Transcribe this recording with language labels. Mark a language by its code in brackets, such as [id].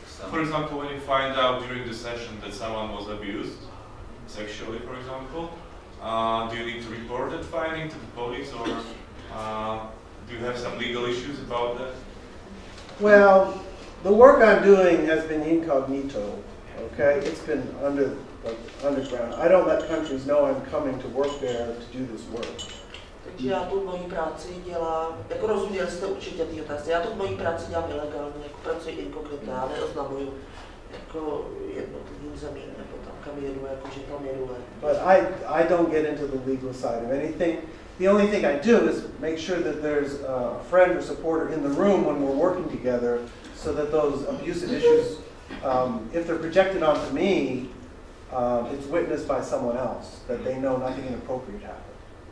[en] For example, when you find out during the session that someone was abused sexually, for example, do you need to report that finding to the police, or do you have some legal issues about that? Well, the work I'm doing has been incognito. Okay, it's been under underground. I don't let countries know I'm coming to work there to do this work. [cs] Takže já tu moji práci dělám, jako rozuměl jste určitě ty otázky, já tu moji práci dělám ilegálně, jako pracuji inkognito, já neoznamuju jako jednotlivým zemím, nebo tam kam jedu, jako že tam jedu. [en] But I don't get into the legal side of anything. The only thing I do is make sure that there's a friend or supporter in the room when we're working together, so that those abusive issues, if they're projected onto me, it's witnessed by someone else, that they know nothing inappropriate happened.